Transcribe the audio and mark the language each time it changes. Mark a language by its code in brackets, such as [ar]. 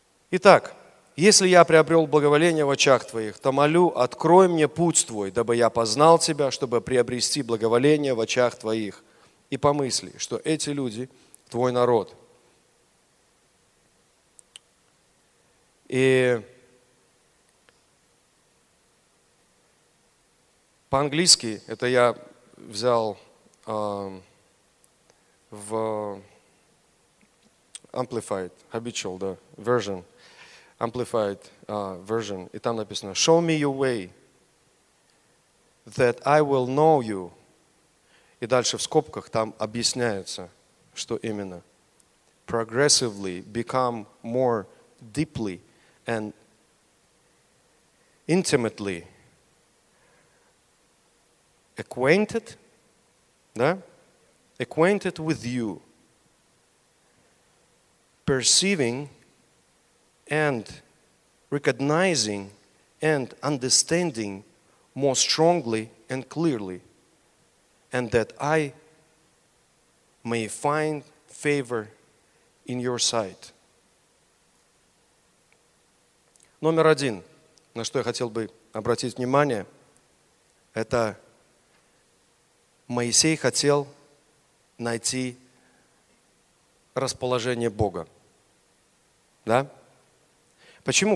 [ru] Итак, если я приобрел благоволение в очах твоих, то молю, открой мне путь твой, дабы я познал тебя, чтобы приобрести благоволение в очах твоих, и помысли, что эти люди, твой народ. И по-английски, это я взял [en] в Amplified, Habitual, да, version, Amplified version, [ru] и там написано [en] «Show me your way, that I will know you». [ru] И дальше в скобках там объясняется, что именно. [en] «Progressively become more deeply and intimately acquainted», [ru] да? [en] «Acquainted with you, perceiving and recognizing and understanding more strongly and clearly, and that I may find favor in your sight». [ru] Номер один, на что я хотел бы обратить внимание, это Моисей хотел найти расположение Бога. Да? Почему?